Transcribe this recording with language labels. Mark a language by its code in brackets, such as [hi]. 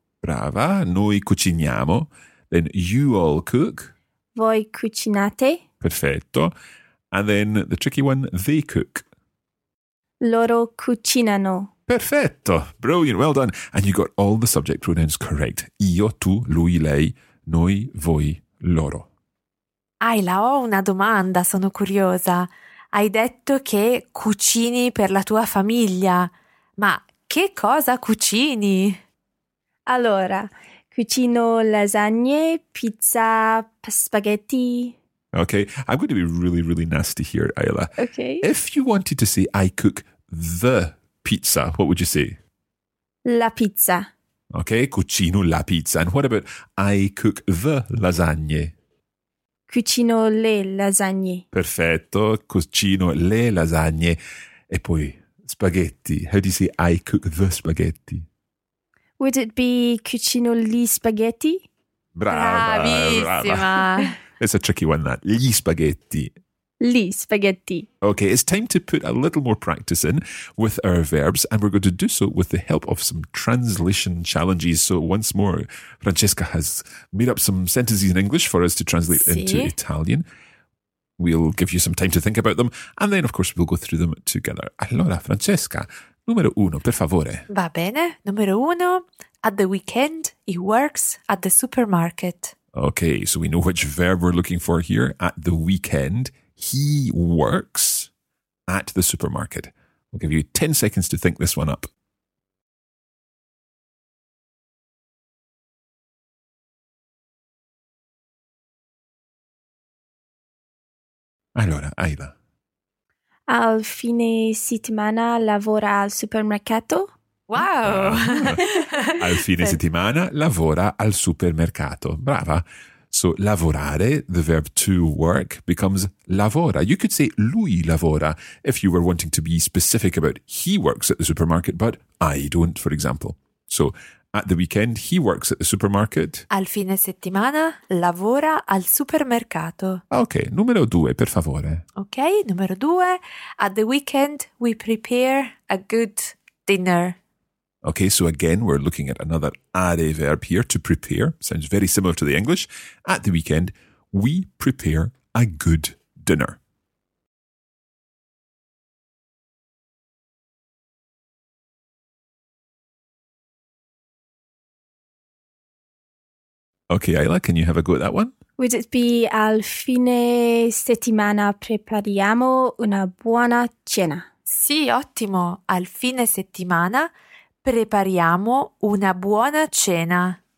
[it] Brava. Noi cuciniamo. [en] Then you all cook. [it] Voi cucinate. Perfetto. [en] And then the tricky one, they cook. [it] Loro cucinano. Perfetto. [en] Brilliant. Well done. And you got all the subject pronouns correct. [it] Io, tu, lui, lei, noi, voi, loro. Ayla, ho una domanda, sono curiosa. Hai detto che cucini per la tua famiglia, ma che cosa cucini? Allora, cucino lasagne, pizza, spaghetti. [en] Okay, I'm going to be really, really nasty here, Ayla. Okay. If you wanted to say I cook the pizza, what would you say? [it] La pizza. Okay, cucino la pizza. [en] And what about I cook the lasagne? [it] Cucino le lasagne. Perfetto, cucino le lasagne. E poi spaghetti. [en] How do you say I cook the spaghetti? Would it be [it] cucino gli spaghetti? Bravissima. [en] It's a tricky one, that. [it] Gli spaghetti. Gli spaghetti. [en] Okay, it's time to put a little more practice in with our verbs, and we're going to do so with the help of some translation challenges. So once more, Francesca has made up some sentences in English for us to translate into Italian. We'll give you some time to think about them, and then, of course, we'll go through them together. [it] Allora, Francesca, numero uno, per favore. Va bene, numero uno, [en] at the weekend, he works at the supermarket. Okay, so we know which verb we're looking for here, at the weekend. He works at the supermarket. We'll give you 10 seconds to think this one up. [it] Allora, Ayla. Al fine settimana lavora al supermercato. [en] Wow! [it] Al fine settimana lavora al supermercato. Brava! [en] So, lavorare, the verb to work, becomes lavora. You could say [it] lui lavora [en] if you were wanting to be specific about he works at the supermarket, but I don't, for example. So, at the weekend, he works at the supermarket. [it] Al fine settimana, lavora al supermercato. Okay, numero due, per favore. [en] Okay, [it] numero due, [en] at the weekend, we prepare a good dinner. Okay, so again, we're looking at another are verb here, to prepare. Sounds very similar to the English. At the weekend, we prepare a good dinner. Okay, Ayla, can you have a go at that one? Would it be [it] al fine settimana prepariamo una buona cena? Sì, ottimo. Al fine settimana prepariamo una buona cena.